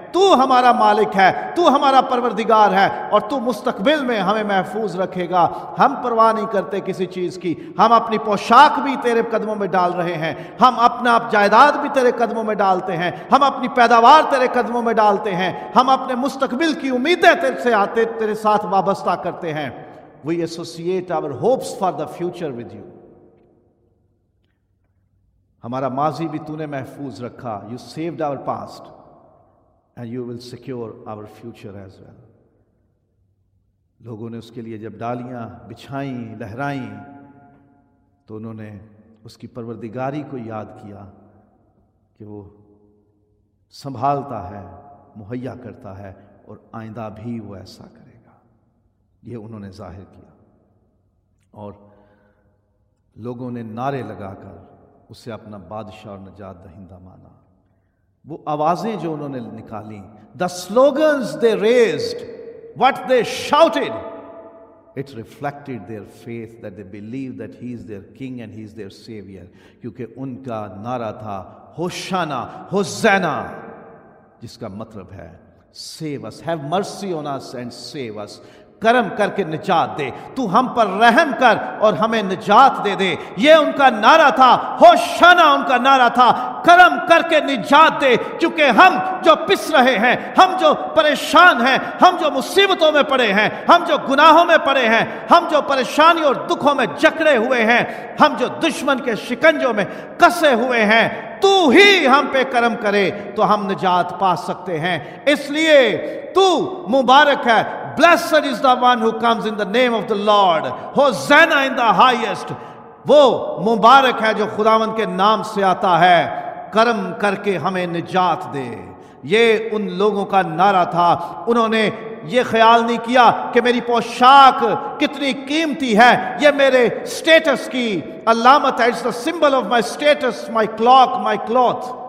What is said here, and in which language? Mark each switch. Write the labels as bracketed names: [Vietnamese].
[Urdu] تو ہمارا مالک ہے، تو ہمارا پروردگار ہے، اور تو مستقبل میں ہمیں محفوظ رکھے گا. ہم پرواہ نہیں کرتے کسی چیز کی، ہم اپنی پوشاک بھی تیرے قدموں میں ڈال رہے ہیں، ہم اپنا جائیداد بھی تیرے قدموں میں ڈالتے ہیں، ہم اپنی پیداوار تیرے قدموں میں ڈالتے ہیں، ہم اپنے مستقبل کی امیدیں تیرے سے آتے تیرے ساتھ وابستہ کرتے ہیں. [English] We associate our hopes for the future with you. [Urdu] ہمارا ماضی بھی تو نے محفوظ رکھا. [English] You saved our past and you will secure our future as well. [Urdu] لوگوں نے اس کے لیے جب ڈالیاں بچھائیں، لہرائیں، تو انہوں نے اس کی پروردگاری کو یاد کیا کہ وہ سنبھالتا ہے، مہیا کرتا ہے، اور آئندہ بھی وہ ایسا کرے گا. یہ انہوں نے ظاہر کیا، اور لوگوں نے نعرے لگا کر اسے اپنا بادشاہ اور نجات دہندہ مانا. وہ آوازیں جو انہوں نے نکالی، [English] The slogans they raised, what they shouted, it reflected their faith that they believe that he is their king and he is their saviour. [Urdu] کیونکہ ان کا نعرہ تھا ہوشانا ہوزینا، جس کا مطلب ہے [English] save us, have mercy on us and save us, [Urdu] کرم کر کے نجات دے، تو ہم پر رحم کر اور ہمیں نجات دے دے. یہ ان کا نعرہ تھا، ہوشانا ان کا نعرہ تھا، کرم کر کے نجات دے، چونکہ ہم جو پس رہے ہیں، ہم جو پریشان ہیں، ہم جو مصیبتوں میں پڑے ہیں، ہم جو گناہوں میں پڑے ہیں، ہم جو پریشانی اور دکھوں میں جکڑے ہوئے ہیں، ہم جو دشمن کے شکنجوں میں کسے ہوئے ہیں، تو ہی ہم پہ کرم کرے تو ہم نجات پا سکتے ہیں. اس لیے تو مبارک ہے. [English] Blessed is the one who comes in the name of the Lord. Hosanna in the highest. [Urdu] وہ مبارک ہے جو خداوند کے نام سے آتا ہے، کرم کر کے ہمیں نجات دے. یہ ان لوگوں کا نعرہ تھا. انہوں نے یہ خیال نہیں کیا کہ میری پوشاک کتنی قیمتی ہے، یہ میرے اسٹیٹس کی علامت ہے، [English] It's the symbol of my status, my clock, my cloth.